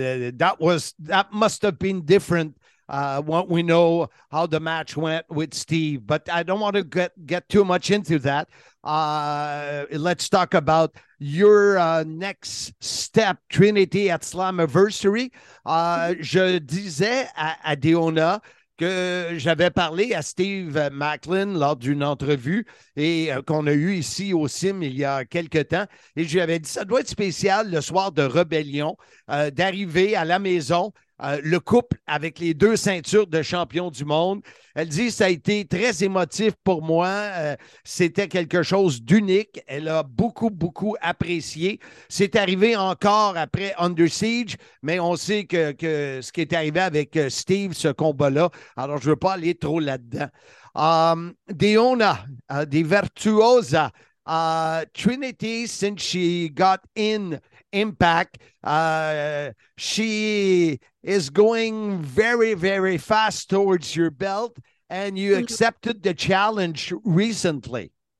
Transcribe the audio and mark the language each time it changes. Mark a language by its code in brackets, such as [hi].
[en] That must have been different. What we know how the match went with Steve, but I don't want to get too much into that. Let's talk about your next step, Trinity at Slammiversary. [fr] Je disais à Deonda que j'avais parlé à Steve Maclin lors d'une entrevue et qu'on a eu ici au CIM il y a quelque temps. Et je lui avais dit, ça doit être spécial le soir de Rebellion d'arriver à la maison. Le couple avec les 2 ceintures de champion du monde. Elle dit ça a été très émotif pour moi. C'était quelque chose d'unique. Elle a beaucoup, beaucoup apprécié. C'est arrivé encore après Under Siege, mais on sait que ce qui est arrivé avec Steve, ce combat-là. Alors, je ne veux pas aller trop là-dedans. [en] Deonda, des Virtuosa, Trinity, since she got in Impact, she is going very, very fast towards your belt, and you accepted the challenge recently.